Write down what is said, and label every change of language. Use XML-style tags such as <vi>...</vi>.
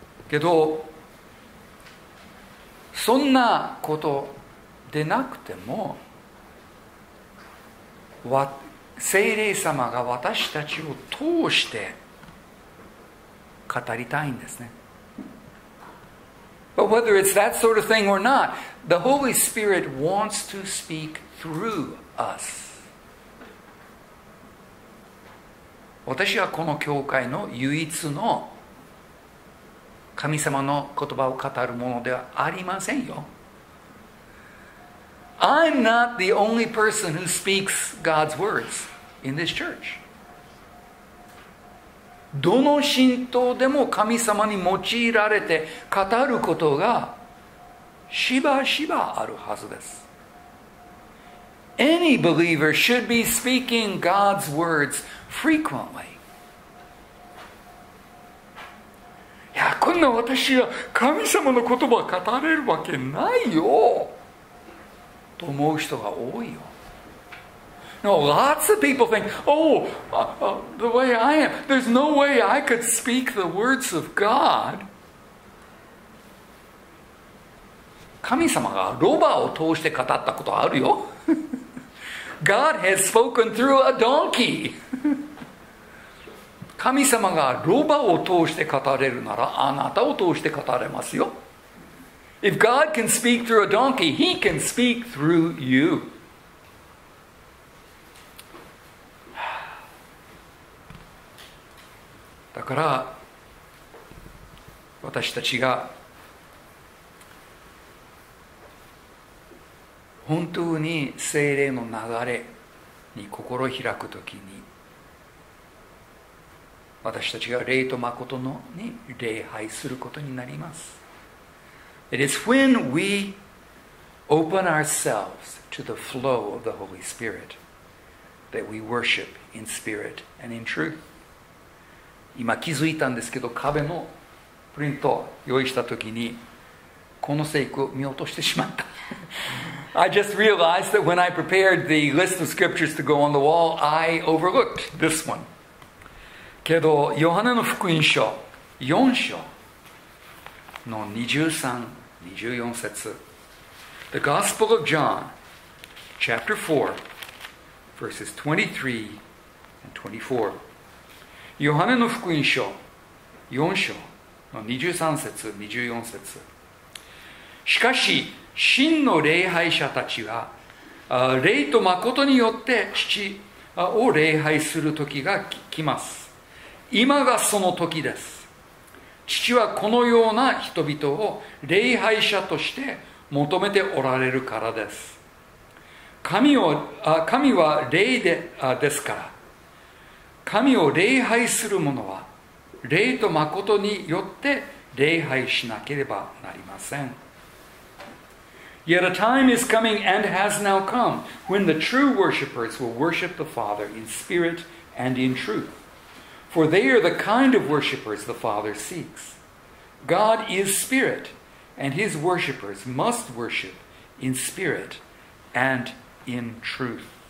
<ja>けど、そんなことでなくても、聖霊様が私たちを通して語りたいんですね。</ja> <en>But whether it's that sort of thing or not, the Holy Spirit wants to speak through us.</en> <ja>私はこの教会の唯一の神様の言葉を語るものではありませんよ。</ja> <en>I'm not the only person who speaks God's words in this church.</en> <ja>どの神道でも神様に用いられて語ることがしばしばあるはずです。</ja> <en>Any believer should be speaking God's words frequently.</en> <ja>いや、こんな私は神様の言葉を語れるわけないよと思う人が多いよ。</ja> <en>No, lots of people think, oh, the way I am, there's no way I could speak the words of God.</en> <ja>神様がロバを通して語ったことあるよ。</ja> <en>God has spoken through a donkey.</en> <ja>神様がロバを通して語れるならあなたを通して語れますよ。</ja> <en>If God can speak through a donkey, He can speak through you.</en> <ja>だから私たちが本当に聖霊の流れに心を開くときに、私たちが霊と誠のに礼拝することになります。</ja> <en>It is when we open ourselves to the flow of the Holy Spirit that we worship in spirit and in truth。</en> <ja>今気づいたんですけど、壁のプリントを用意したときにこの聖句を見落としてしまった。</ja> <en>I just realized that when I prepared the list of scriptures to go on the wall, I overlooked this one.</en> <ja>けど、ヨハネの福音書4章の23、24節。</ja> <en>The Gospel of John, chapter 4, verses 23 and 24.</en> <ja>ヨハネの福音書4章の23節、24節。しかし、真の礼拝者たちは霊と誠によって父を礼拝する時が来ます。今がその時です。父はこのような人々を礼拝者として求めておられるからです。神は霊ですから、神を礼拝する者は霊と誠によって礼拝しなければなりません。</ja> <en>Yet a time is coming and has now come when the true worshippers will worship the Father in spirit and in truth. For they are the kind of worshippers the Father seeks. God is spirit, and his worshippers must worship in spirit and in truth.</en>